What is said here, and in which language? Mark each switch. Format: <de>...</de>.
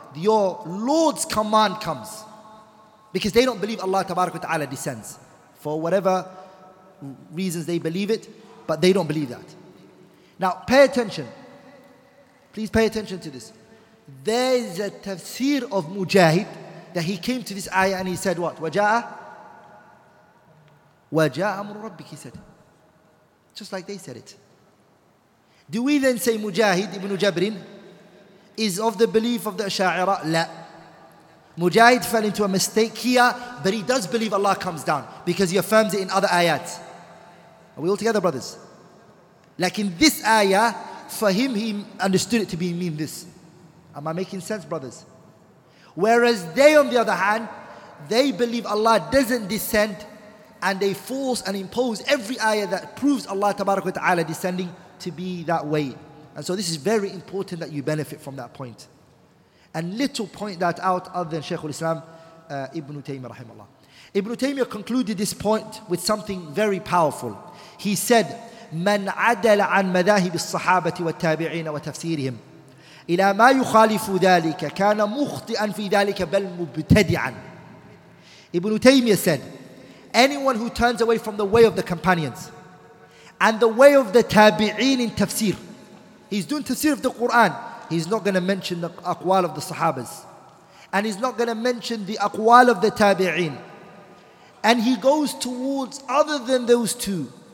<en>Your Lord's command comes. Because they don't believe Allah tabarak wa ta'ala descends. For whatever reasons they believe it, but they don't believe that. Now, pay attention. Please pay attention to this. There is a tafsir of Mujahid that he came to this ayah and he said what?</en> <ar>وَجَاءَ أَمْرُ رَبِّكَ,</ar> <en>he said. Just like they said it. Do we then say Mujahid ibn Jabrin is of the belief of the Asha'ira? La. Mujahid fell into a mistake here, but he does believe Allah comes down because he affirms it in other ayats. Are we all together, brothers? Like in this ayah, for him, he understood it to be mean this. Am I making sense, brothers? Whereas they, on the other hand, they believe Allah doesn't descend, and they force and impose every ayah that proves Allah tabarak wa ta'ala descending to be that way. And so this is very important that you benefit from that point. And little point that out other than Shaykh al-Islam, Ibn Taymiyyah rahimahullah. Ibn Taymiyyah concluded this point with something very powerful. He said,</en> <ar>مَنْ عَدَلَ عَنْ مَذَاهِبِ الصَّحَابَةِ وَالتَّابِعِينَ وَتَفْسِيرِهِمْ إِلَى مَا يُخَالِفُ ذَلِكَ كَانَ مُخْطِئًا فِي ذَلِكَ بَلْ مُبْتَدِعًا.</ar> <en>Ibn Taymiyyah said, anyone who turns away from the way of the companions and the way of the tabi'een in tafsir. He's doing tafsir of the Quran. He's not going to mention the aqwal of the sahabas. And he's not going to mention the aqwal of the tabi'een. And he goes towards other than those two.</en>